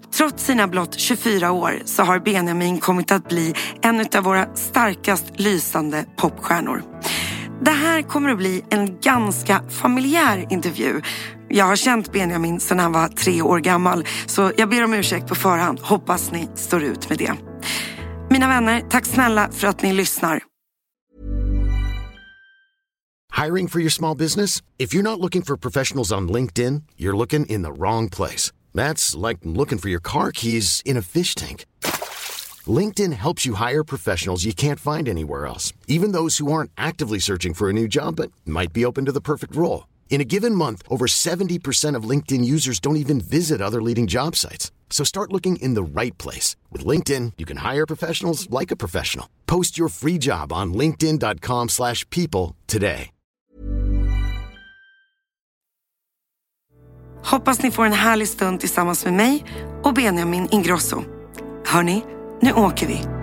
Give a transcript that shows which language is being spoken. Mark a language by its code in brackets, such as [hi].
[sv] Trots sina blott 24 år så har Benjamin kommit att bli en av våra starkast lysande popstjärnor. Det här kommer att bli en ganska familjär intervju. Jag har känt Benjamin sedan han var 3 år gammal, så jag ber om ursäkt på förhand. Hoppas ni står ut med det. Mina vänner, tack snälla för att ni lyssnar. [en] Hiring for your small business? If you're not looking for professionals on LinkedIn, you're looking in the wrong place. That's like looking for your car keys in a fish tank. LinkedIn helps you hire professionals you can't find anywhere else, even those who aren't actively searching for a new job but might be open to the perfect role. In a given month, over 70% of LinkedIn users don't even visit other leading job sites. So start looking in the right place. With LinkedIn, you can hire professionals like a professional. Post your free job on linkedin.com/people today. [sv] Hoppas ni får en härlig stund tillsammans med mig och Benjamin Ingrosso. Hörrni, nu åker vi.